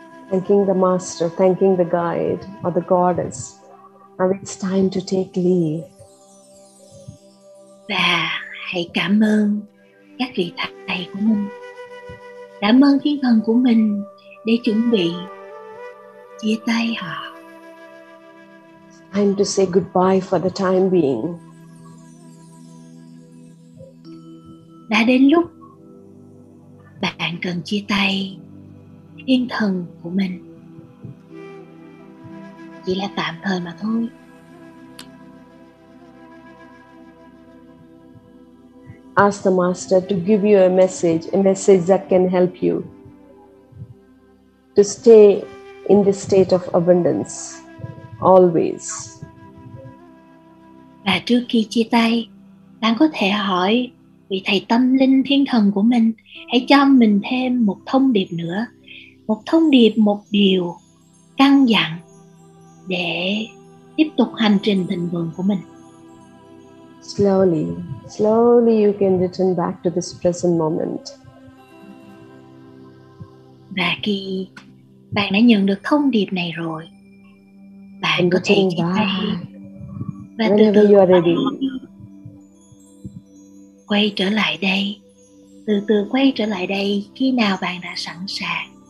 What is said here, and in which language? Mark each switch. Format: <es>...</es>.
<en>Thanking the master, thanking the guide or the goddess. Now it's time to take leave.</en> <vi>Và hãy cảm ơn các vị thầy của mình. Cảm ơn thiên thần của mình để chuẩn bị chia tay họ.</vi> <en>Time to say goodbye for the time being.</en> <vi>Đã đến lúc bạn cần chia tay thiên thần của mình. Chỉ là tạm thời mà thôi.</vi> <en>Ask the master to give you a message that can help you to stay in the state of abundance always.</en> <vi>Và trước khi chia tay, bạn có thể hỏi vị thầy tâm linh thiên thần của mình, hãy cho mình thêm một thông điệp nữa, một thông điệp, một điều căn dặn để tiếp tục hành trình thịnh vượng của mình.</vi> <en>Slowly, slowly you can return back to this present moment.</en> <vi>Và khi bạn đã nhận được thông điệp này rồi. Bạn có thể chia tay và từ từ quay trở lại đây. Từ từ quay trở lại đây khi nào bạn đã sẵn sàng.</vi>